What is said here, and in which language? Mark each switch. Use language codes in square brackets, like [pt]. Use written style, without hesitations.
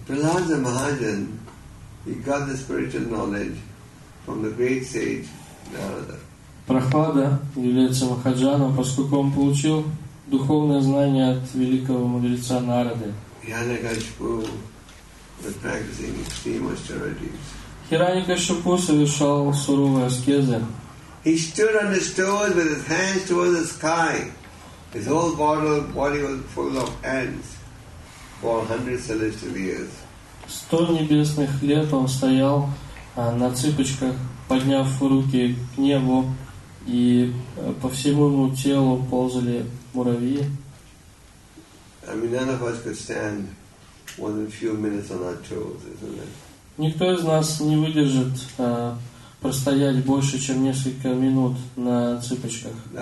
[en] Prahlad the Mahajan, he got the spiritual knowledge from the great sage Narada. [ru] Прохлада является Махаджаном, поскольку он получил духовное знание от великого мудреца Нарады. [en] Хиранякашипу was practicing extreme austerities. [ru] Хиранякашипу совершал суровые аскезы. [en] He stood on his toes with his hands towards the sky. His whole body was full of ants for 100 celestial years. [ru] 100 небесных лет он стоял на цыпочках, подняв руки к небу, и по всему его телу ползали муравьи. [en] none of us could stand more than a few minutes on our toes, isn't it? [ru] Никто из нас не выдержит простоять больше, чем несколько минут на цыпочках.